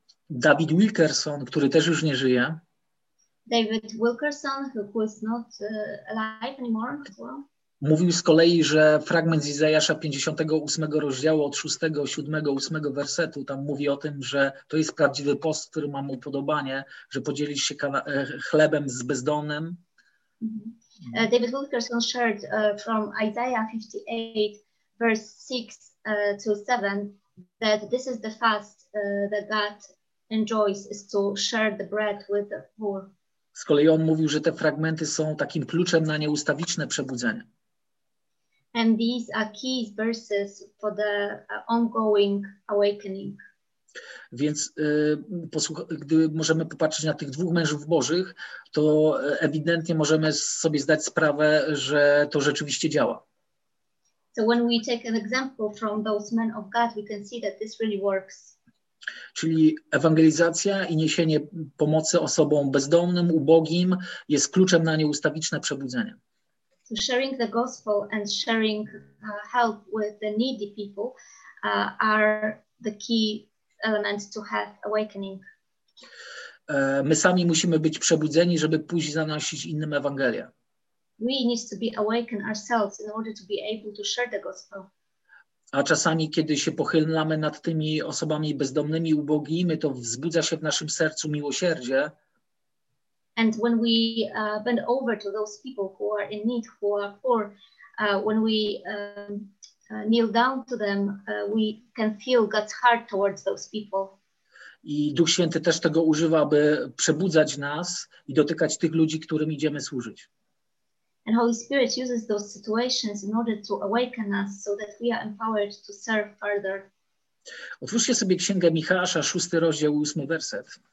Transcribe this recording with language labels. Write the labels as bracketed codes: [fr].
[pl] David Wilkerson, który też już nie żyje. [en] David Wilkerson, who was not alive anymore as well. [pl] Mówił z kolei, że fragment z Izajasza 58 rozdziału od 6, 7, 8 wersetu tam mówi o tym, że to jest prawdziwy post, który ma mu podobanie, że podzielić się chlebem z bezdomnym. [en] David Wilkerson shared from Isaiah 58, verse 6 to 7, that this is the fast that God enjoys, is to share the bread with the poor. [pl] Z kolei on mówił, że te fragmenty są takim kluczem na nieustawiczne przebudzenie. [en] And these are key verses for the ongoing awakening. [pl] Więc gdy możemy popatrzeć na tych dwóch mężów bożych, to ewidentnie możemy sobie zdać sprawę, że to rzeczywiście działa. [en] So when we take an example from those men of God, we can see that this really works. [pl] Czyli ewangelizacja i niesienie pomocy osobom bezdomnym, ubogim jest kluczem na nieustawiczne przebudzenie. [en] Sharing the gospel and sharing help with the needy people are the key elements to have awakening. [pl] My sami musimy być przebudzeni, żeby pójść zanosić innym Ewangelię. [en] We need to be awakened ourselves in order to be able to share the gospel. [pl] A czasami, kiedy się pochylamy nad tymi osobami bezdomnymi, ubogimi, to wzbudza się w naszym sercu miłosierdzie. [en] And when we bend over to those people who are in need, who are poor, when we kneel down to them, we can feel God's heart towards those people. [pl] I Duch Święty też tego używa, aby przebudzać nas i dotykać tych ludzi, którym idziemy służyć. [en] And Holy Spirit uses those situations in order to awaken us so that we are empowered to serve further. [pl] Otwórzcie sobie Księgę Michała, 6 rozdział, 8 werset.